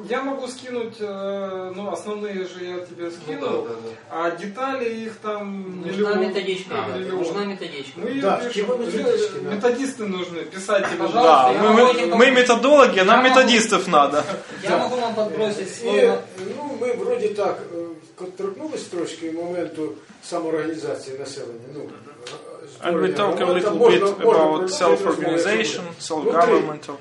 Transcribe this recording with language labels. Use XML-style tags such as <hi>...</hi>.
<ru>Я могу скинуть, ну, основные же я тебе скину. А детали их там... Нужна методичка. Нужна методичка. Да, чего методички? Методисты нужны. Писайте, пожалуйста. Мы методологи, нам методистов надо. Я могу вам подбросить слово...</ru> <uk>Ми вроді так торкнулись трошки моменту самоорганізації населення. Ну,</uk> <en>and we talk a little bit about self-organization, self-government.</en>